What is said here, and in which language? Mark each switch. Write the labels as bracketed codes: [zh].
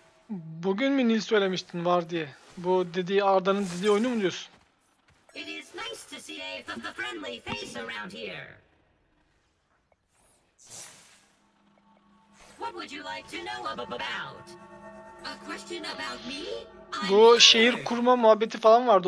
[tr] Bugün mü Nil söylemiştin var diye? Bu dediği Arda'nın dediği oyunu mu diyorsun? [en] It is nice to see a friendly face around here. What would you like to know about? A question about me? [tr] Bu şehir kurma muhabbeti falan vardı.